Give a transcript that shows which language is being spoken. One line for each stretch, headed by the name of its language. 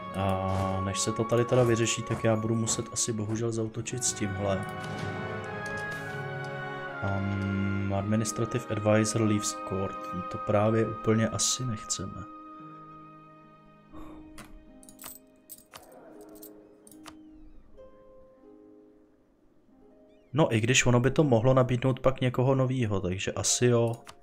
Czech: A než se to tady teda vyřeší, tak já budu muset asi bohužel zautočit s tímhle.
English: Administrative Advisor Leaves Court.
Czech: To právě úplně asi nechceme. No i když ono by to mohlo nabídnout pak někoho novýho, takže asi jo.